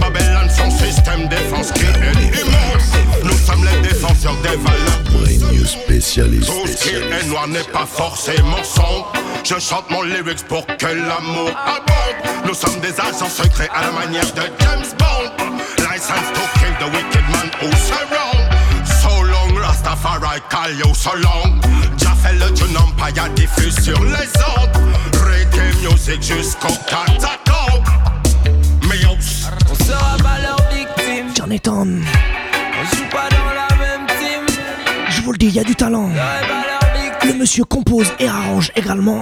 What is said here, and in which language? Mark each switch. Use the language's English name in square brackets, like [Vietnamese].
[French] Babylone son système défense qui est immense. Nous sommes les défenseurs des valeurs. Radio spécialiste. Tout ce qui est noir n'est pas forcément sombre. Je chante mon lyrics pour que l'amour abonde. Nous sommes des agents secrets à la manière de James Bond. [English] License to kill the wicked man who surround. So long, Rastafari, call you so long. [French] Jaffel, le jeune empire diffuse sur les ondes. Reggae music jusqu'au catacombe. Meos. On sera pas leur victime. J'en ai ton. On joue pas dans la même team. Je vous le dis, y'a du talent. Le monsieur compose et arrange également.